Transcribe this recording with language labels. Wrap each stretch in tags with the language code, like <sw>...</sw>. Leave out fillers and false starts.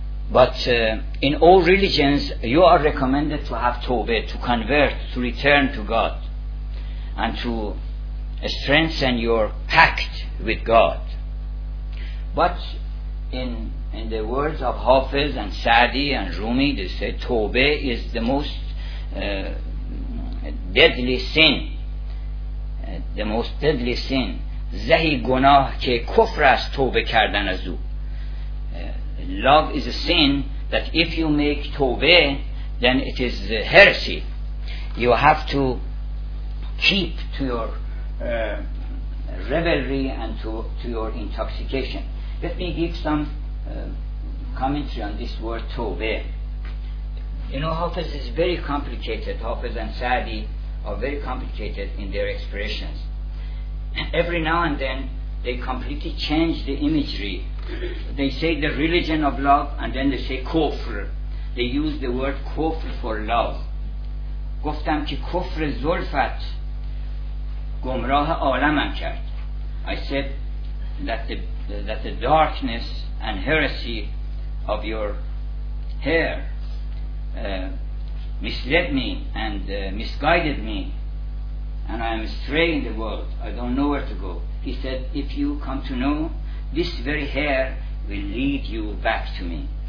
<en>But in all religions, you are recommended to have tawbah, to convert, to return to God, and to strengthen your pact with God. But in the words of Hafiz and Sa'di and Rumi, they say tawbah is the most deadly sin. The most deadly sin.</en> <fa>زهی گناه که کفر است توبه کردن از او.</fa> <en>Love is a sin that if you make توبه, then it is heresy. You have to keep to your revelry and to your intoxication. Let me give some commentary on this word توبه. You know, Hafiz is very complicated. Hafiz and Sa'di are very complicated in their expressions. Every now and then they completely change the imagery. They say the religion of love and then they say kufr. They use the word kufr for love.</en> <fa>گفتم که کفر زلفت گمراه عالمم کرد.</fa> <en>I said that the darkness and heresy of your hair misled me and misguided me. And I am astray in the world. I don't know where to go. He said, if you come to know, this very hair will lead you back to me.</en>